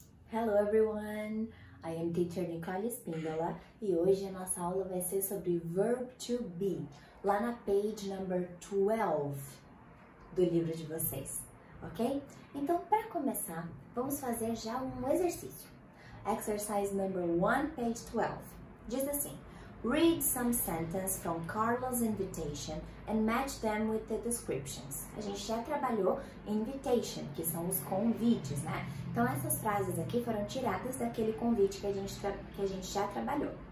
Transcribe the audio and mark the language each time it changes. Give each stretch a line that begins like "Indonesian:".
English: Hello everyone, I am teacher
Portuguese: Nicole Spindola e hoje a nossa aula vai ser sobre verb to be, lá na page number 12 do livro de vocês, ok? Então, para começar, vamos fazer já um exercício.
English: Exercise number 1, page 12.
Portuguese: Diz assim:
English: read some sentence from Carlos' invitation and match them with the descriptions.
Portuguese: A gente já trabalhou invitation, que são os convites, né? Então, essas frases aqui foram tiradas daquele convite que a gente já trabalhou.